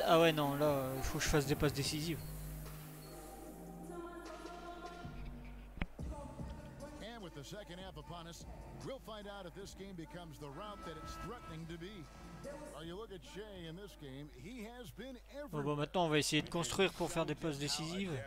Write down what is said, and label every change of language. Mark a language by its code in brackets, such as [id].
[fr] Ah ouais, non, là, il faut que je fasse des passes décisives. [en] And with the second half upon us, we'll find out if this game becomes the route that it's threatening to be. Are you look at Jay in this game, he has been everywhere. [fr] Bon, maintenant, on va essayer de construire pour faire des passes décisives.